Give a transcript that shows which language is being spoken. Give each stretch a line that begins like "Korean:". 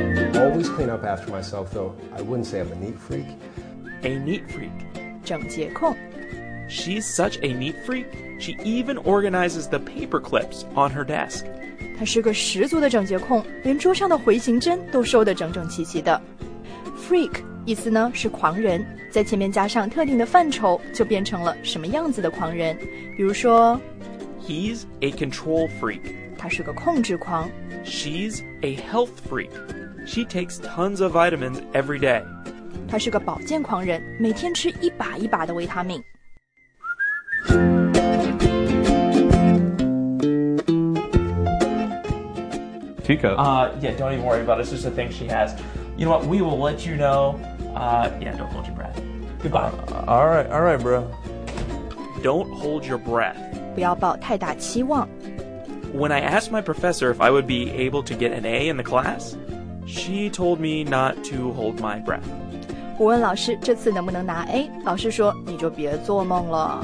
English: Myself, though I wouldn't say I'm a neat freak. A neat freak.
Chinese: 整洁控
English: She's such a neat freak. She even organizes the paper clips on her desk.
Chinese: 她是个十足的整洁控，连桌上的回形针都收得整整齐齐的。 Freak 意思呢是狂人，在前面加上特定的范畴，就变成了什么样子的狂人。比如说
English: ，He's a control freak.
Chinese: 他是个控制狂。
English: She's a health freak. She takes tons of vitamins every day.
Chinese: 她是个保健狂人，每天吃一把一把的维他命。
English: Tico. Yeah, don't even worry about it. It's just a thing she has. You know what? We will let you know. Yeah, don't hold your breath. Goodbye. All right, bro. Don't hold your breath.
Chinese: 不要抱太大期望。
English: When I asked my professor if I would be able to get an A in the class... She told me not to hold my breath.
Chinese: 我问老师这次能不能拿 A， 老师说你就别做梦了。